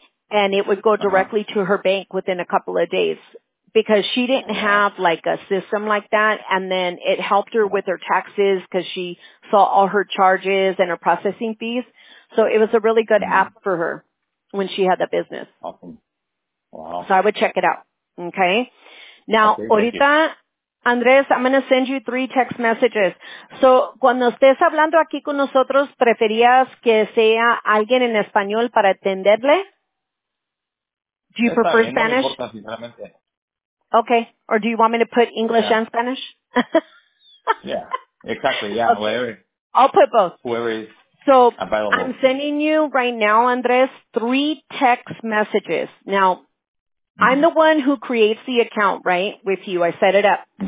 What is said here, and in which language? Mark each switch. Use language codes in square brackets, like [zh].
[en] And it would go directly to her bank within a couple of days. Because she didn't have like a system like that, and then it helped her with her taxes because she saw all her charges and her processing fees. So it was a really good app for her when she had the business. Awesome. Wow. So I would check it out. Okay. Now, ahorita, Andres, I'm going to send you 3 text messages. [es] So cuando estés hablando aquí con nosotros, ¿preferías que sea alguien en español para atenderle? [en] Do you prefer Spanish? Okay. Or do you want me to put English and Spanish? Yeah, exactly. Yeah, okay. Whatever. I'll put both. Whoever is so available. I'm sending you right now, Andres, 3 text messages. Now, I'm the one who creates the account, right, with you. I set it up.